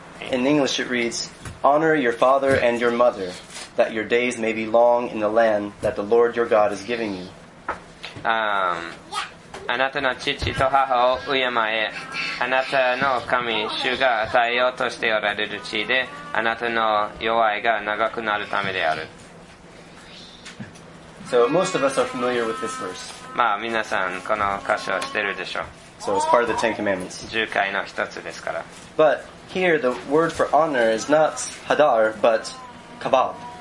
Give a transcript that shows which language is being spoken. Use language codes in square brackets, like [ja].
[en] In English it reads, honor your father and your mother, that your days may be long in the land that the Lord your God is giving you. [ja] あなたの父と母を敬え、あなたの神主が与えようとしておられる地で、あなたの弱いが長くなるためである。 [en] So most of us are familiar with this verse. [ja] まあ皆さんこの箇所知ってるでしょう。 [en] So it's part of the Ten Commandments. [ja] 十戒の一つですから。 [en] But here the word for honor is not hadar, but kabal.